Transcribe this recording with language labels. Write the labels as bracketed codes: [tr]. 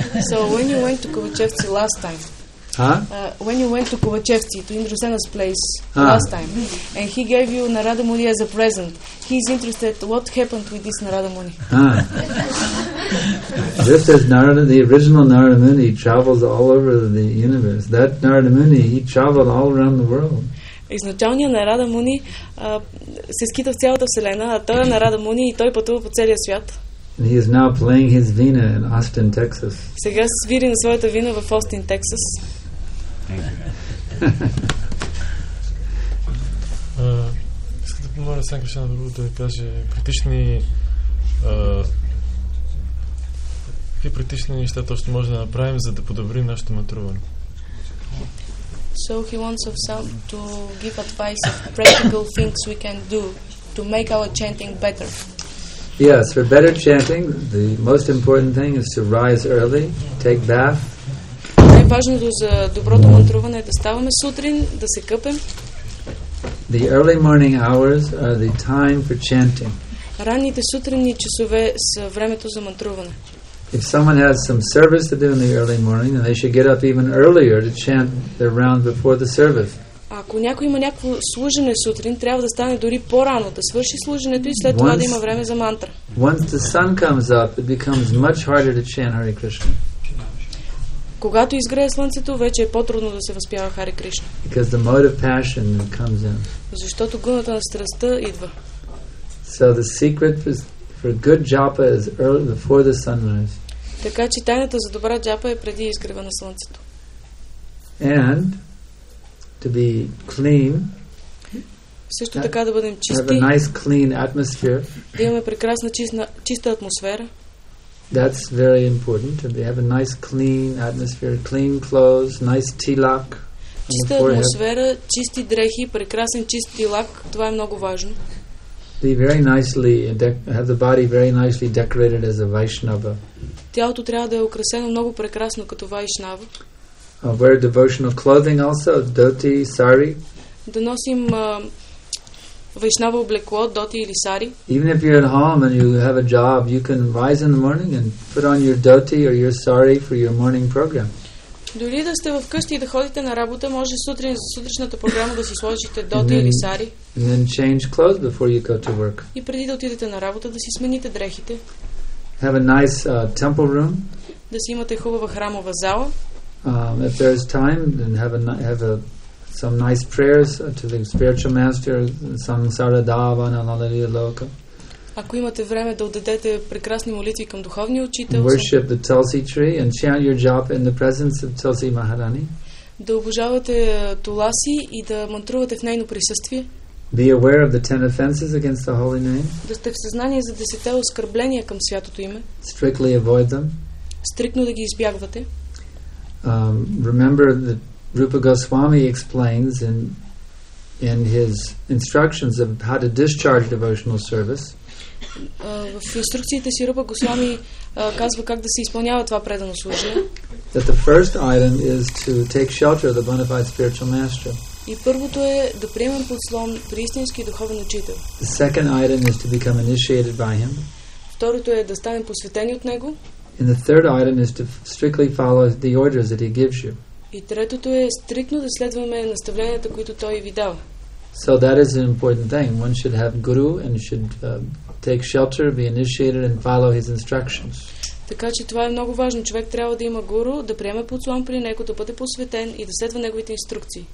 [en] So when you went to Kovachevci last time, when you went to Kovachevci, to Indrasena's place last time, and he gave you Narada Muni as a present, he's interested what happened with this Narada Muni. Just as Narada, the original Narada Muni travels all over the universe, that Narada Muni, he traveled all around the world. [bg] Изначалният Нарада Муни се скита в цялата вселена, а той е Нарада Муни и той пътува по целия свят. [en] And he is now playing his vina in Austin, Texas. [bg] Сега свири на своята вина в Остин, Тексас. Искам да помоля Сан Кришна Прабху да ви каже практични какви практични неща точно може да направим, за да подобрим нашето матруване. [en] So he wants us to give advice of practical things we can do to make our chanting better. Yes, for better chanting, the most important thing is to rise early, take bath. [bg] Най-важното за доброто мантруване е да ставаме сутрин, да се къпем. [en] The early morning hours are the time for chanting. [bg] Ранните сутринни часове са времето за мантруване. [en] If someone has some service to do in the early morning, then they should get up even earlier to chant their round before the service. [bg] Ако някой има някакво служене сутрин, трябва да стане дори по-рано, да свърши служенето и след това да има време за мантра. [en] Once the sun comes up, it becomes much harder to chant Hare Krishna. [bg] Когато изгрее слънцето, вече е по-трудно да се възпява Хари Кришна. [en] Because the mode of passion comes in. [bg] Защото гъната на страстта идва. [en] So the secret For good japa is early before the sunrise. [bg] Така че тайната за добра джапа е преди изгрева на слънцето. [en] And to be clean. [bg] Също така да бъдем чисти. [en] Have a nice clean atmosphere. [bg] Да имаме прекрасна чиста атмосфера. [en] That's very important. To have a nice clean atmosphere, clean clothes, nice tilak. [bg] Чиста атмосфера, чисти дрехи, прекрасен чист тилак. Това е много важно. [en] Be very nicely have the body very nicely decorated as a Vaishnava. [bg] Тялото трябва да е украсено много прекрасно като Вайшнава. [en] Wear devotional clothing also, dhoti, sari. [bg] Да носим Вайшнава облекло, доти или сари. [en] Even if you're at home and you have a job, you can rise in the morning and put on your dhoti or your sari for your morning program. [bg] Дори да сте вкъщи и да ходите на работа, може сутрин за сутрешната програма да си сложите доти или сари. [en] And then change clothes before you go to work. [bg] И преди да отидете на работа да си смените дрехите. [en] Have a nice temple room. [bg] Да си имате хубава храмова зала. [en] If there is time, then have some nice prayers to the spiritual master, Samsara Dava na Lalaya Loka. [bg] Ако имате време да отдадете прекрасни молитви към духовния учител. [en] Worship the Tulsi tree and chant your japa in the presence of Tulsi Maharani. [bg] Да обожавате Туласи и да мантрувате в нейно присъствие. [en] Be aware of the 10 offenses against the holy name. [bg] Да сте в съзнание за 10-те оскърбления към святото име. [en] Strictly avoid them. [bg] Стриктно да ги избягвате. [en] Remember that Rupa Goswami explains in his instructions of how to discharge devotional service. [bg] В инструкциите си Рупа Госвами казва как да се изпълнява това предано служение. [en] That the first item is to take shelter of the bona fide spiritual master. [bg] И първото е да приемем подслон при истински духовен учител. [en] The second item is to become initiated by him. [bg] Второто е да станем посветени от него. [en] And the third item is to strictly follow the orders that he gives you. [bg] И третото е стриктно да следваме наставленията, които той ви дава. [en] So that is an important thing. One should have guru and should take shelter, be initiated and follow his instructions. [bg] Така че това е много важно. Човек трябва да има гуру, да приеме подслон при него, да бъде посветен и да следва неговите инструкции.